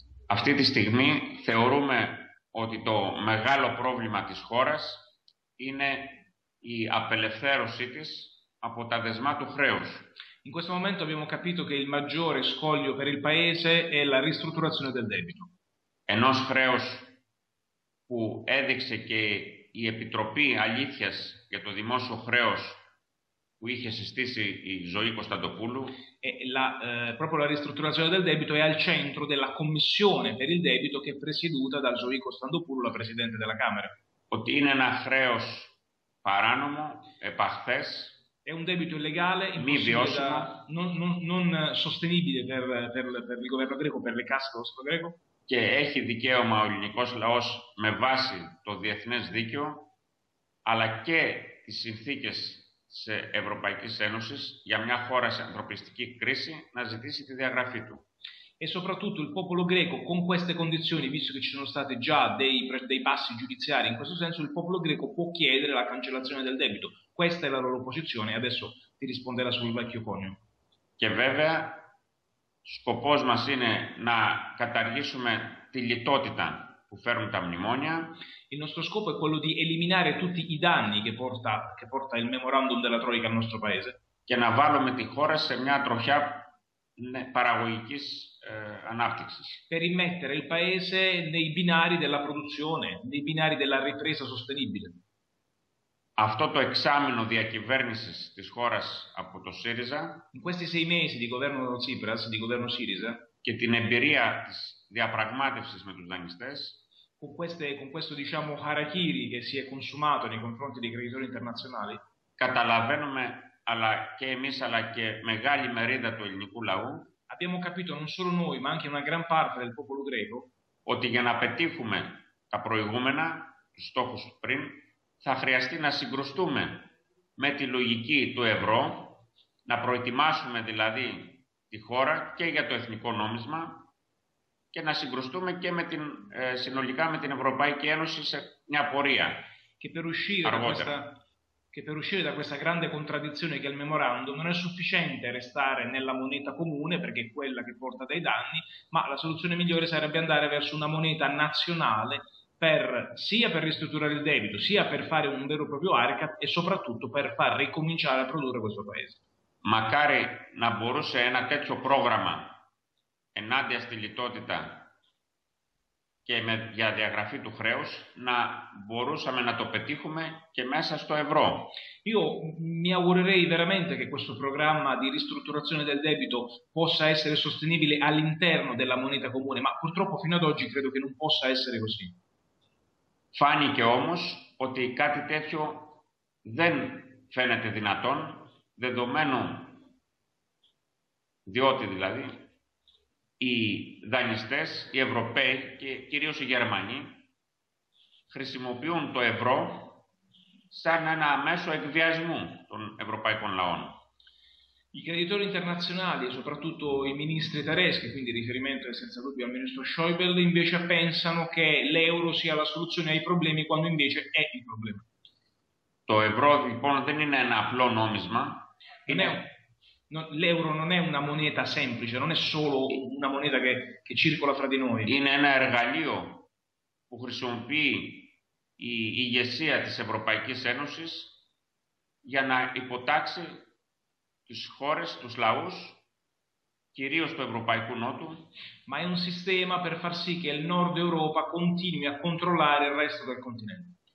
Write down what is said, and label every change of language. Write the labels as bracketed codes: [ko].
[el] Αυτή τη στιγμή θεωρούμε ότι το μεγάλο πρόβλημα της χώρας είναι η απελευθέρωσή της από τα δεσμά του χρέους. [it] In questo momento abbiamo capito che il maggiore scoglio per il paese è la ristrutturazione del debito. [el] Ενός χρέους που έδειξε και η Επιτροπή Αλήθειας για το δημόσιο χρέος που είχε συστήσει η Ζωή Κωνσταντοπούλου. [it] Proprio la ristrutturazione del debito è al centro della commissione per il debito che è presieduta da Ζωή Κωνσταντοπούλου, la presidente della Camera. [el] Ότι είναι ένα χρέος παράνομο, επαχθές. [it] È un debito illegale, impossibile, non sostenibile per il governo greco, per le casse dello Stato greco. [el] Και έχει δικαίωμα ο ελληνικός λαός με βάση το διεθνές δίκαιο, αλλά και τις συνθήκες σε Ευρωπαϊκής Ένωσης για μια χώρα σε ανθρωπιστική κρίση να ζητήσει τη διαγραφή του. [it] E soprattutto il popolo greco con queste condizioni, visto che ci sono stati già dei passi giudiziari in questo senso, il popolo greco può chiedere la cancellazione del debito. Questa è la loro posizione e adesso ti risponderà sul vecchio conio. [el] Και βέβαια, σκοπός μας είναι να καταργήσουμε τη λιτότητα που φέρουν τα μνημόνια. [it] Il nostro scopo è quello di eliminare tutti i danni che porta il memorandum della Troica al nostro paese. [el] Και να βάλουμε τη χώρα σε μια τροχιά παραγωγικής ανάπτυξης. [it] Per immettere il paese nei binari della produzione, nei binari della ripresa sostenibile. [el] Αυτό το εξάμηνο διακυβέρνησης της χώρας από το ΣΥΡΙΖΑ. [it] In questi sei mesi di governo del Tsipras, di governo ΣΥΡΙΖΑ. [el] Και την εμπειρία της διαπραγμάτευσης με τους δανειστές. [it] Con questo diciamo harakiri che si è consumato nei confronti dei creditori internazionali. [el] Καταλαβαίνουμε, αλλά και εμείς, αλλά και μεγάλη μερίδα του ελληνικού λαού. [it] Abbiamo capito non solo noi, ma anche una gran parte del popolo greco. [el] Ότι για να πετύχουμε τα προηγούμενα, τους στόχους πριν, θα χρειαστεί να συγκρουστούμε με τη λογική του ευρώ, να προετοιμάσουμε δηλαδή τη χώρα και για το εθνικό νόμισμα και να συγκρουστούμε και με την, συνολικά με την Ευρωπαϊκή Ένωση σε μια πορεία και αργότερα. [it] Che per uscire da questa grande contraddizione che è il memorandum non è sufficiente restare nella moneta comune perché è quella che porta dei danni, ma la soluzione migliore sarebbe andare verso una moneta nazionale sia per ristrutturare il debito, sia per fare un vero e proprio haircut e soprattutto per far ricominciare a produrre questo paese. [el] Magari να μπορούσε ένα τέτοιο πρόγραμμα ενάντια στη λιτότητα και με διαδιαγραφή του χρέους να μπορούσαμε να το πετύχουμε και μέσα στο ευρώ. [it] Io mi augurerei veramente che questo programma di ristrutturazione del debito possa essere sostenibile all'interno della moneta comune, ma purtroppo fino ad oggi credo che non possa essere così. [el] Φάνηκε όμως ότι κάτι τέτοιο δεν φαίνεται δυνατόν, δεδομένου διότι δηλαδή οι δανειστές, οι Ευρωπαίοι και κυρίως οι Γερμανοί χρησιμοποιούν το ευρώ σαν ένα μέσο εκβιασμού των ευρωπαϊκών λαών. [it] I creditori internazionali, soprattutto i ministri tedeschi, quindi riferimento è senza dubbio al ministro Schäuble, invece pensano che l'euro sia la soluzione ai problemi quando invece è il problema. [el] Το ευρώ λοιπόν δεν είναι ένα απλό νόμισμα. [it] L'euro non è una moneta semplice, non è solo una moneta che circola fra di noi. [el] Είναι ένα εργαλείο που χρησιμοποιεί η ηγεσία της Ευρωπαϊκής Ένωσης για να υποτάξει τις χώρες, τους λαούς, κυρίως του Ευρωπαϊκού Νότου. [it] Ma è un sistema per far sì che il Nord Europa continui a controllare il resto del continente.